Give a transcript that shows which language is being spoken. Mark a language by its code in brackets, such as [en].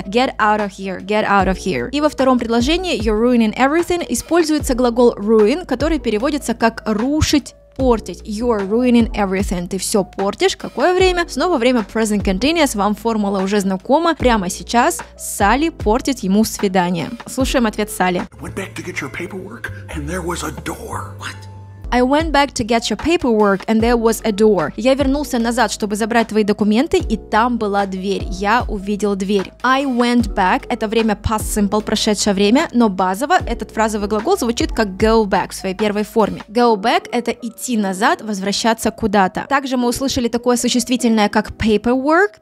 [en] Get out of here, get out of here. [ru] И во втором предложении, [en] you're ruining everything, [ru] используется глагол ruin, который переводится как рушить. Портить. [en] You're ruining everything. [ru] Ты все портишь. Какое время? Снова время present continuous. Вам формула уже знакома. Прямо сейчас Салли портит ему свидание. Слушаем ответ Салли. [en] Went back to get your paperwork and there was a door. What? I went back to get your paperwork and there was a door. [ru] Я вернулся назад, чтобы забрать твои документы, и там была дверь. Я увидел дверь. I went back – это время past simple, прошедшее время, но базово этот фразовый глагол звучит как go back в своей первой форме. Go back – это идти назад, возвращаться куда-то. Также мы услышали такое существительное, как paperwork.